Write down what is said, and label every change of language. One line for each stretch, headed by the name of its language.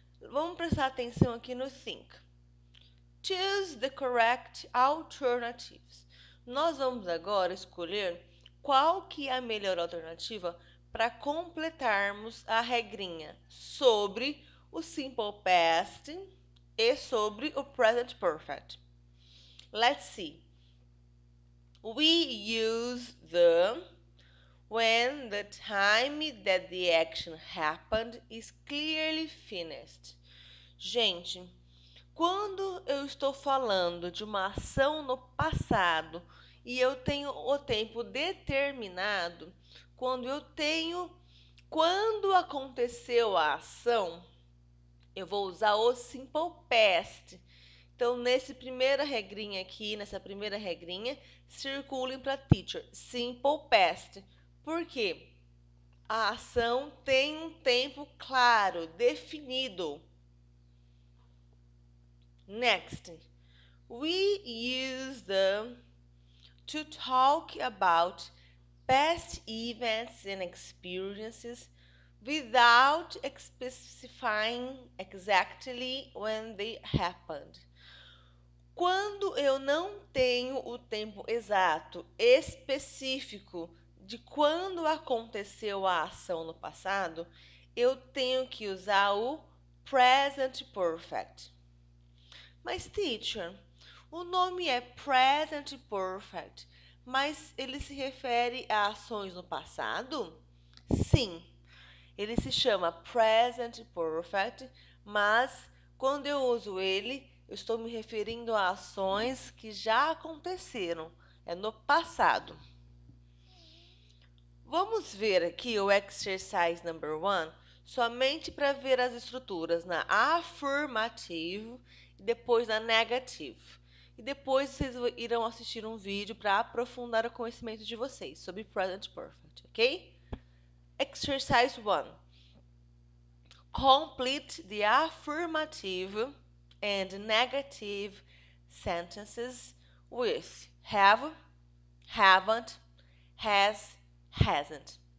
Portuguese: Vamos prestar atenção aqui no think.
English: Choose the correct alternatives.
Portuguese: Nós vamos agora escolher qual que é a melhor alternativa para completarmos a regrinha sobre o simple past e sobre o present perfect.
English: Let's see. We use the when the time that the action happened is clearly finished.
Portuguese: Gente, quando eu estou falando de uma ação no passado e eu tenho o tempo determinado, quando aconteceu a ação, eu vou usar o simple past. Então, nesse primeira regrinha aqui, nessa primeira regrinha, circulem para teacher, simple past. Por quê? A ação tem um tempo claro, definido.
English: Next, we use the to talk about past events and experiences without specifying exactly when they happened.
Portuguese: Quando eu não tenho o tempo exato, específico de quando aconteceu a ação no passado, eu tenho que usar o present perfect. Mas, teacher, o nome é present perfect, Mas ele se refere a ações no passado? Sim. Ele se chama present perfect, mas quando eu uso ele, eu estou me referindo a ações que já aconteceram. É no passado. Vamos ver aqui o
English: exercise number one,
Portuguese: somente para ver as estruturas na afirmativo e depois na negativo. E depois vocês irão assistir um vídeo para aprofundar o conhecimento de vocês sobre present perfect, ok?
English: Exercise 1. Complete the affirmative and negative sentences with have, haven't, has, hasn't.